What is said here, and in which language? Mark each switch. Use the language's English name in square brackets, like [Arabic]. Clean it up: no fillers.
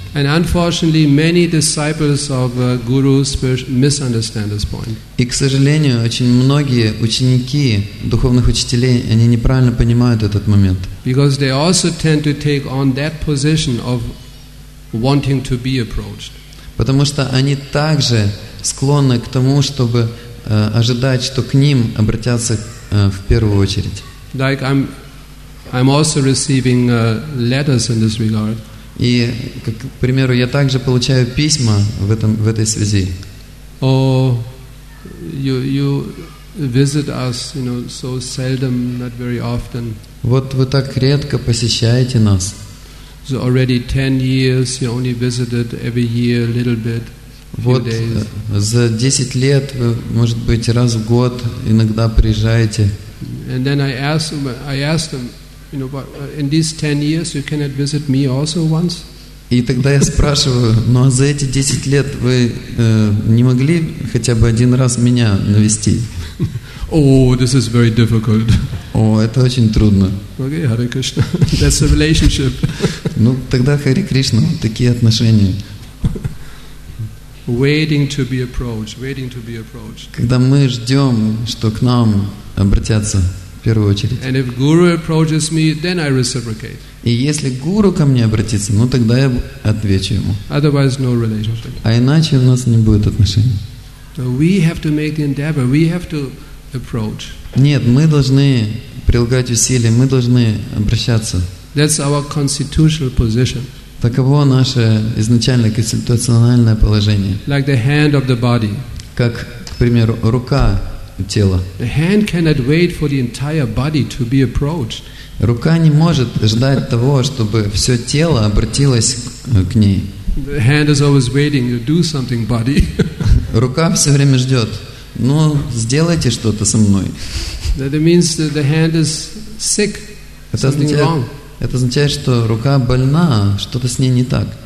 [English] And unfortunately, many disciples of gurus misunderstand this point. [Russian] И, к сожалению, очень многие ученики духовных учителей, они неправильно понимают этот момент. [English] Because they also tend to take on that position of wanting to be approached. [Russian] Потому что они также склонны к тому, чтобы ожидать, что к ним обратятся в первую очередь. [English] Like I'm also receiving letters in this regard. [Russian] И, как, к примеру, я также получаю письма в этой связи. [English] Oh, you visit us, you know, so seldom, not very often. [Russian] Вот вы так редко посещаете нас. [English] So already 10 years, you only visited every year a little bit. [Russian] Вот за 10 лет, вы, может быть, раз в год иногда приезжаете. [English] And then I asked him, you know, but in these 10 years you cannot visit me also once? [Russian] И тогда я спрашиваю, ну а за эти 10 лет вы не могли хотя бы один раз меня навести? [English] Oh, this is very difficult. [Russian] О, это очень трудно. [English] Okay, Hare Krishna. That's a relationship. [Russian] Ну, тогда Hare Krishna, такие отношения. [English] Waiting to be approached, waiting to be approached. [Russian] Когда мы ждем, что к нам обратятся в первую очередь. [English] And if guru approaches me, then I reciprocate. [Russian] И если гуру ко мне обратится, ну тогда я отвечу ему. [English] Otherwise, no relationship. [Russian] А иначе у нас не будет отношений. [English] So we have to make the endeavor. We have to approach. [Russian] Нет, мы должны прилагать усилия, мы должны обращаться. [English] That's our constitutional position. [Russian] Таково наше изначальное конституциональное положение. [English] Like the hand of the body. [Russian] Как, к примеру, рука тела. [English] The hand cannot wait for the entire body to be approached. [Russian] Рука не может ждать того, чтобы все тело обратилось к ней. [English] The hand is always waiting to do something, body. [Russian] Рука все время ждет. Ну, сделайте что-то со мной. [English] That means that the hand is sick. Something wrong. [Russian] Это означает, что рука больна, что-то с ней не так.